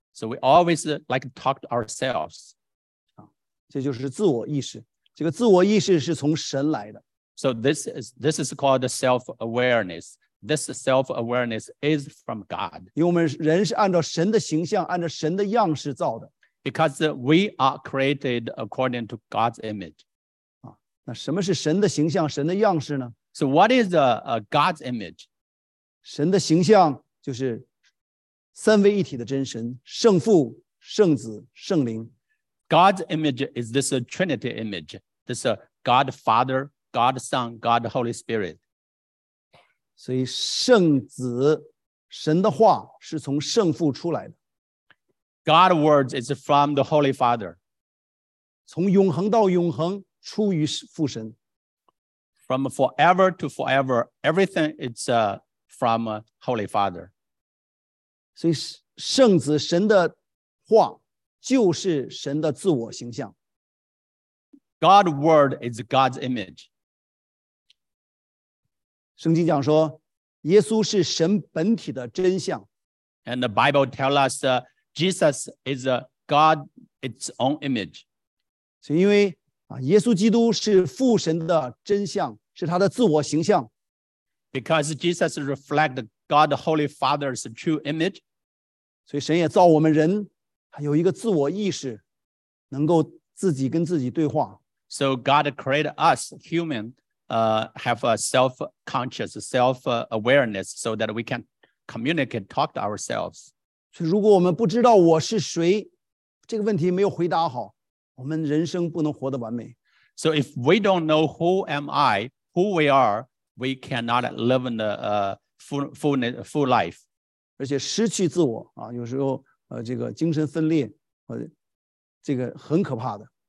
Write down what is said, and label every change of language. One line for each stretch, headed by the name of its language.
English: So we always like to talk to ourselves.
Chinese: 啊, 这就是自我意识。这个自我意识是从神来的。
English: So this is called the self-awareness. This self-awareness is from God.
Chinese: 因为我们人是按照神的形象, 按照神的样式造的。
English: Because we are created according to God's image.
Chinese: 啊, 那什么是神的形象, 神的样式呢?
English: So what is God's image?
Chinese: 神的形象就是 三位一体的真神, 圣父, 圣子, 圣灵。
English: God's image is this Trinity image. This God Father, God Son, God Holy Spirit.
Chinese: 所以圣子, 神的话是从圣父出来的。
English: God's words is from the Holy Father.
Chinese: 从永恒到永恒, 出于父神。
English: From forever to forever, everything is from Holy Father.
Chinese: 所以圣子神的话就是神的自我形象。
English: God's word is God's image.
Chinese: 圣经讲说, 耶稣是神本体的真相。
English: And the Bible tells us Jesus is God's own image.
Chinese: 所以因为, 啊, 耶稣基督是父神的真相, 是他的自我形象。
English: Because Jesus reflects God the Holy Father's true image.
Chinese: 所以神也造我们人, 有一个自我意识, 能够自己跟自己对话。
English: So God created us, human, have a self-conscious, self-awareness, so that we can communicate, talk to ourselves.
Chinese: 所以如果我们不知道我是谁, 这个问题没有回答好, 我们人生不能活得完美。
English: So if we don't know who am I, who we are, we cannot live in the full life.
Chinese: 而且失去自我, 啊, 有时候, 这个精神分裂, 这个很可怕的。